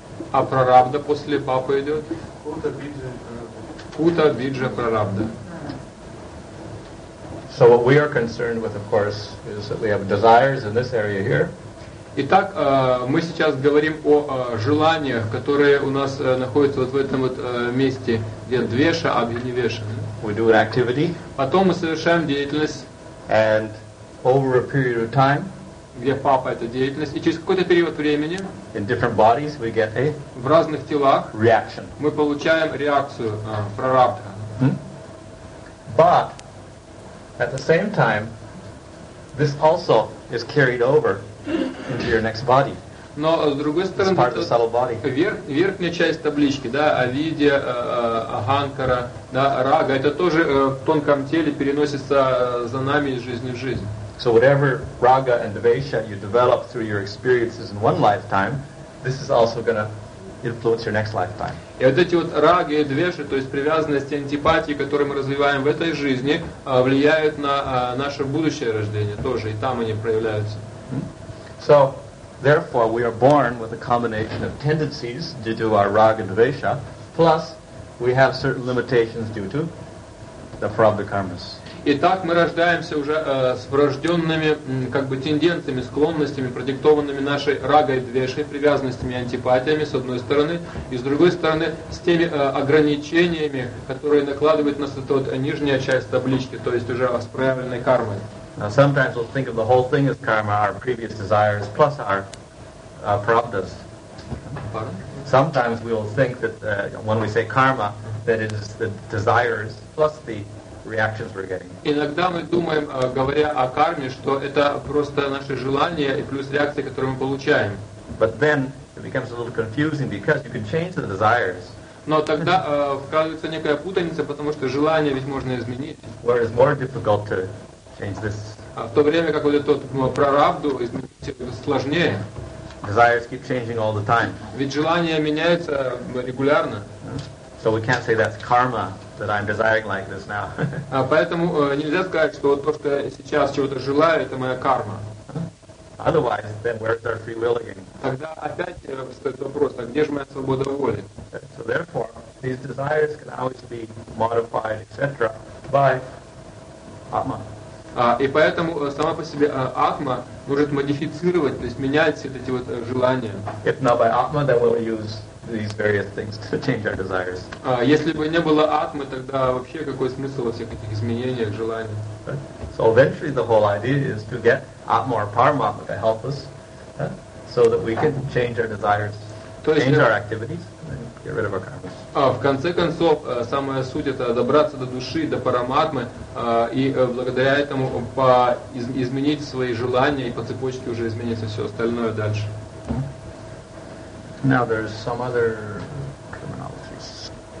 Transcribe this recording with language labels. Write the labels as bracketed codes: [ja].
[ru] Апрарабда после папы идет. Кута, биджа, апрарабда. Кута, биджа, апрарабда. [en] So what we are concerned with, of course, is that we have desires in this area here. [ru] Итак, мы сейчас говорим о желаниях, которые у нас находятся вот в этом вот месте, где двеша, абхинивеша. [en] We do an activity. [ru] Потом мы совершаем деятельность. [en] And over a period of time, [ru] где папа это деятельность, и через какой-то период времени, [en] in different bodies we get a [ru] в разных телах [en] reaction. [ru] Мы получаем реакцию прарабдха. [en] But at the same time, this also is carried over into your next body. [ru] Но с другой стороны, [en] it's part of the subtle body. [ru] Верхняя часть таблички, да, авидья, аханкара, да, рага, это тоже в тонком теле переносится за нами из жизни в жизнь. [en] So whatever raga and devesha you develop through your experiences in one lifetime, this is also going to influence your next lifetime. [ru] И вот эти вот раги и двеши, то есть привязанности, антипатии, которые мы развиваем в этой жизни, влияют на наше будущее рождение тоже, и там они проявляются. [en] So, therefore, we are born with a combination of tendencies due to our raga and devesha, plus we have certain limitations due to the prarabdha karmas. [ru] Итак, мы рождаемся уже с врожденными как бы тенденциями, склонностями, продиктованными нашей рагой, двешей, привязанностями, антипатиями, с одной стороны, и с другой стороны, с теми ограничениями, которые накладывает нас эта вот нижняя часть таблички, то есть уже с проявленной кармой. [en] Now, sometimes we'll think of the whole thing as karma, our previous desires, plus our prarabdhas. Pardon? Sometimes we'll think that when we say karma, that it is the desires plus the reactions we're getting. [ru] Иногда мы думаем, говоря о карме, что это просто наши желания и плюс реакции, которые мы получаем. [en] But then it becomes a little confusing because you can change the desires. [ru] Но тогда вкладывается некая путаница, потому что желания ведь можно изменить. [en] Where it's more difficult to change this. [ru] А в то время как вот эту прарабду изменить сложнее. [en] Desires keep changing all the time. [ru] Ведь желания меняются регулярно. [en] So we can't say that's karma that I'm desiring like this now. [ru] Поэтому нельзя сказать, что то, что я сейчас чего-то желаю, это моя карма. [en] Otherwise, then where's our free will again? [ru] Тогда опять встает вопрос, а где же моя свобода воли? [en] So therefore, these desires can always be modified, etc. by Atma. [ru] И поэтому сама по себе Атма может модифицировать, то есть менять все эти вот желания. [en] If not by Atma, then we'll use these various things to change our desires. [ru] Если бы не было Атмы, тогда вообще какой смысл во всех этих изменениях, желаниях? [en] Right. So eventually the whole idea is to get Atma or Paramatma to help us so that we can change our desires, change our activities, and get rid of our karmas. [ru] В конце концов, самая суть — это добраться до души, до параматмы, и благодаря этому изменить свои желания, и по цепочке уже изменится все остальное дальше. [en] Now there's some other terminologies.